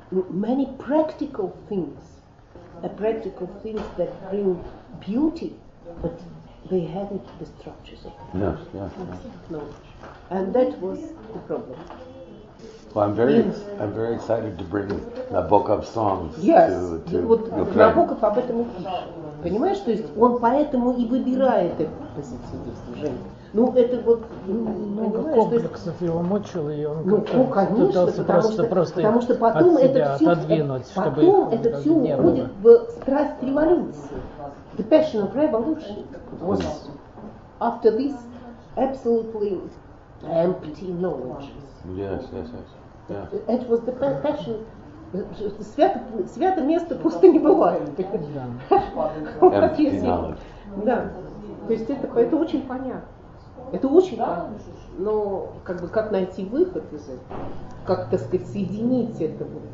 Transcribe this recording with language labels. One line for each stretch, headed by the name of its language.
English: Many practical things, the practical things that bring beauty, but they had it, the structures of knowledge, and that was the problem. Well, I'm very excited to bring Nabokov songs to Ukraine. Yes,
Russian: Nabokov об этом и пишет. Понимаешь, то есть он поэтому и выбирает эту позицию достижения. Ну, это вот, много комплексов его мучило, и он пытался просто их от себя отодвинуть, чтобы это все уходит в страсть революции.
English: The passion of revolution was, after this, absolutely empty knowledge. Yes. It was the passion.
Russian: Свято место просто не бывает.
English: Empty knowledge.
Russian: Да. То есть это очень понятно. Это очень понятно. Но как бы как найти выход из этого? Как, так сказать, соединить это?